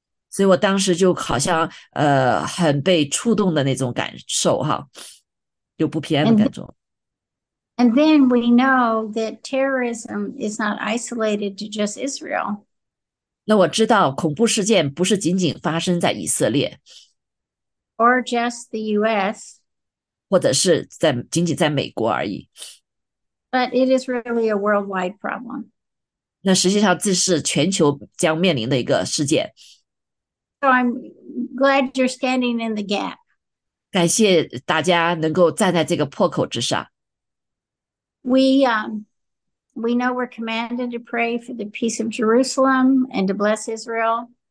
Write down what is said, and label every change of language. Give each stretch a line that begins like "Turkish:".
Chinese: 所以我当时就好像很被触动的那种感受哈，有不平安的感觉。And
English: then we know that terrorism is not isolated to just Israel.
Chinese: 那我知道恐怖事件不是仅仅发生在以色列。
English: Or just the US,
Chinese: 或者是仅仅在美国而已。
English: but it is really a worldwide problem.
Chinese: 那实际上这是全球将面临的一个事件。
English: So I'm glad you're standing in the gap.
Chinese: 感谢大家能够站在这个破口之上。
English: We know we're commanded to pray for the peace of Jerusalem and to bless Israel.